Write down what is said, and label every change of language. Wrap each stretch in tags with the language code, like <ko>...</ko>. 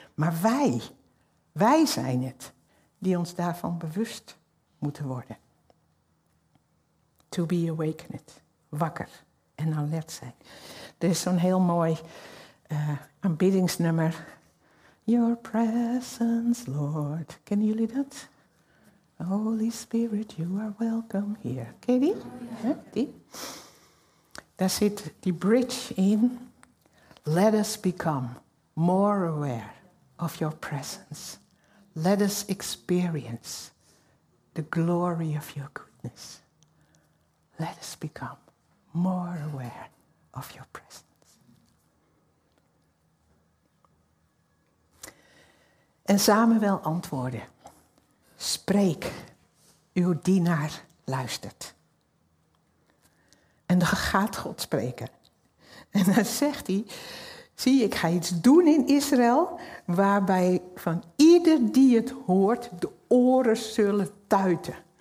<nl>Maar wij zijn het die ons daarvan bewust moeten worden.</nl> <en>To be awakened,</en> <nl>wakker en alert zijn. Er is zo'n heel mooi aanbiddingsnummer.</nl> <en>Your presence, Lord.</en> <nl>Kennen jullie dat?</nl> <en>Holy Spirit, you are welcome here.</en> <nl>Ken je die? Ja, die? Daar zit die bridge in.</nl> <en>Let us become more aware of your presence. Let us experience the glory of your goodness. Let us become more aware of your presence.</en> <nl>En Samuel antwoordde, spreek, uw dienaar luistert. En dan gaat God spreken. En dan zegt hij, zie, ik ga iets doen in Israël waarbij van ieder die het hoort de oren zullen tuiten.</nl>